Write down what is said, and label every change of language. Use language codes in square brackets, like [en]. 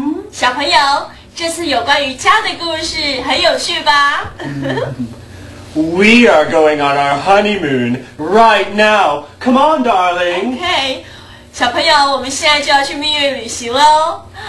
[zh] 小朋友，这次有关于家的故事很有趣吧？ [en] We are going on our honeymoon right now. Come on, darling. Okay. [zh] 小朋友，我们现在就要去蜜月旅行了哦。